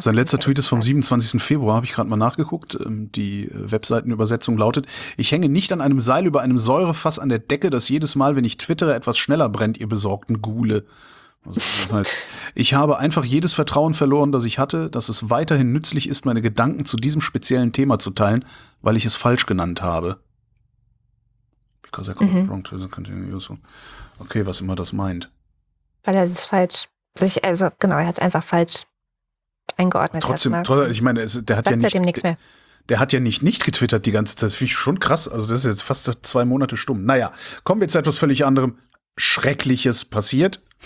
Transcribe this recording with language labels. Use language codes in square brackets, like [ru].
[de] Sein letzter Tweet ist vom 27. Februar, habe ich gerade mal nachgeguckt. Die Webseitenübersetzung lautet, ich hänge nicht an einem Seil über einem Säurefass an der Decke, das jedes Mal, wenn ich twittere, etwas schneller brennt, ihr besorgten Ghule. Also, das heißt, ich habe einfach jedes Vertrauen verloren, das ich hatte, dass es weiterhin nützlich ist, meine Gedanken zu diesem speziellen Thema zu teilen, weil ich es falsch genannt habe. [en] Because I got it wrong to continue useful. Okay, [de] was immer das meint. Weil er es falsch, sich, also genau, er hat es einfach falsch eingeordnet. Aber trotzdem, ich meine, der hat ja nicht. Seitdem nichts mehr. Der hat ja nicht getwittert die ganze Zeit. Das finde ich schon krass. Also, das ist jetzt fast 2 Monate stumm. Naja, kommen wir zu etwas völlig anderem. Schreckliches passiert.